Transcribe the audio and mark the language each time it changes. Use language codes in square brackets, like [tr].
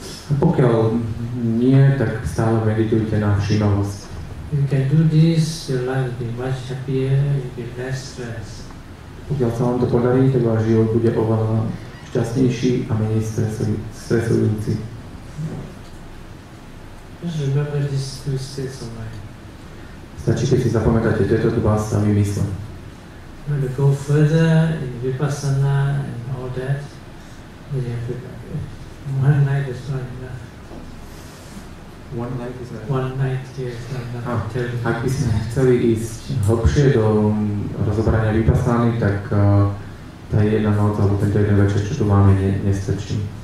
[sk] A pokiaľ nie, tak stále meditujte na všímavosť. [en] You can do this, your life will be much happier, you'll be less stressed. [sk] Pokiaľ sa vám to podarí, tak váš život bude oveľa šťastnejší a menej stresujúci. [en] Just remember these two states of mind. [sk] Stačí, keď si zapamätáte tieto dva stavy mysle. [en] You want to go further in vipassana and all that, then you have to go. One night is not enough. [sk] Ak by sme chceli ísť hlbšie do rozobrania vipassany, tak tá jedna noc alebo tento jeden večer, čo tu máme, nestačí.